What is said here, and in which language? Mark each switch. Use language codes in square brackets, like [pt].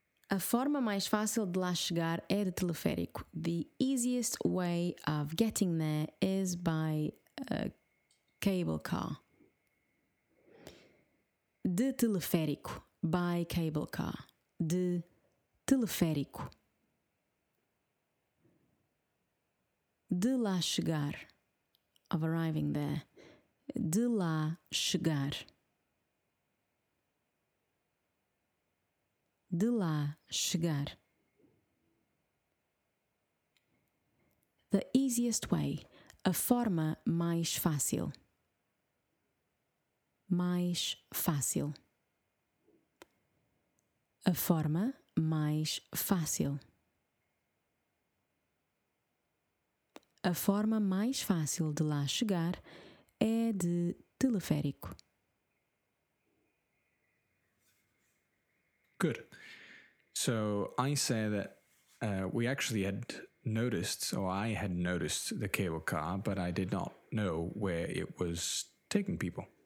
[pt] A forma mais fácil de lá chegar é de teleférico. [en] The easiest way of getting there is by cable car. [pt] De teleférico. [en] By cable car. [pt] De teleférico. De lá chegar. [en] Of arriving there. [pt] De lá chegar. De lá chegar. [en] The easiest way. [pt] A forma mais fácil. Mais fácil. A forma mais fácil. A forma mais fácil de lá chegar é de teleférico. [en] Good. So I say that we actually had noticed, or I had noticed the cable car, but I did not know where it was taking people.